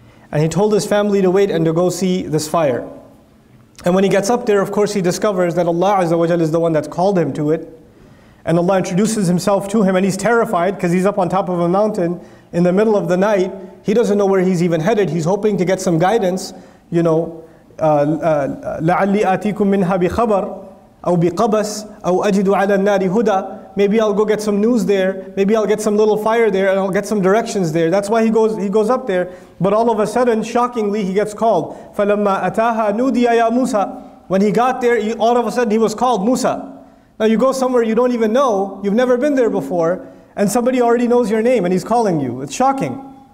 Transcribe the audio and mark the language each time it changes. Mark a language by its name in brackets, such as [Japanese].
[English] And he told his family to wait and to go see this fire. And when he gets up there, of course, he discovers that Allah Azza wa Jal is the one that called him to it. And Allah introduces himself to him, and he's terrified because he's up on top of a mountain in the middle of the night. He doesn't know where he's even headed. He's hoping to get some guidance, you know, [Arabic] لَعَلِّي آتِيكُم مِّنْهَا بِخَبَرٍ أَوْ بِقَبَسٍ أَوْ أَجِدُ عَلَى النَّارِ هُدَى. [English] Maybe I'll go get some news there. Maybe I'll get some little fire there and I'll get some directions there. That's why he goes up there. But all of a sudden, shockingly, he gets called. [Arabic] فَلَمَّا أَتَاهَا نُودِيَ يَا مُوسَى. [English] When he got there, all of a sudden he was called Musa. Now you go somewhere you don't even know, you've never been there before, and somebody already knows your name and he's calling you. It's shocking.